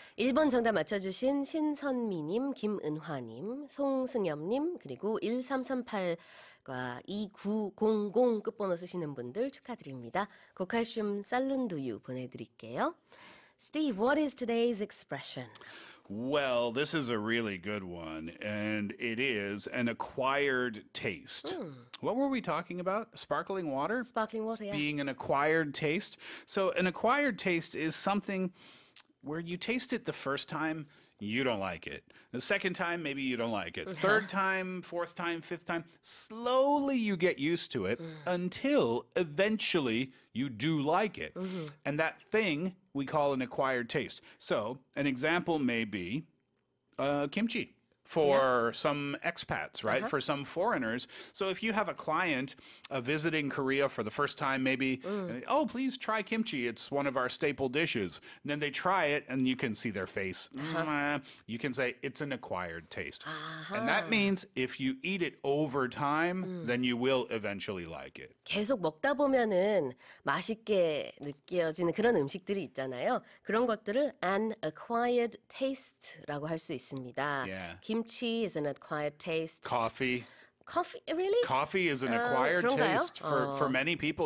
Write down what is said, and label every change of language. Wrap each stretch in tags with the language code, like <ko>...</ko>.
<ko>1번 정답 맞춰주신 신선미님, 김은화님. 송승엽님 그리고 1338과 2900 끝번호 쓰시는 분들 축하드립니다. 고칼슘 쌀룬두유 보내드릴게요.</ko> <en>Steve, what is today's expression? Well, this is a really good one, and it is an acquired taste. Mm. What were we talking about? Sparkling water? Sparkling water, yeah. Being an acquired taste. So an acquired taste is something where you taste it the first time, you don't like it. The second time, maybe you don't like it. Third time, fourth time, fifth time, slowly you get used to it until eventually you do like it. Mm-hmm. And that thing we call an acquired taste. So an example may be kimchi for some expats, right? Uh-huh. For some foreigners. So if you have a client visiting Korea for the first time, maybe, oh, please try kimchi. It's one of our staple dishes. And then they try it and you can see their face. Uh-huh. You can say it's an acquired taste. Uh-huh. And that means if you eat it over time, then you will eventually like it.</en> <ko>계속 먹다 보면은 맛있게 느껴지는 그런 음식들이 있잖아요. 그런 것들을</ko> <en>an acquired taste</en> <ko>라고 할 수 있습니다.</ko> <en>Yeah. Kimchi is an acquired taste. Coffee. Coffee, really? Coffee is an acquired</en> <ko>그런가요?</ko> <en>taste for many people,</en>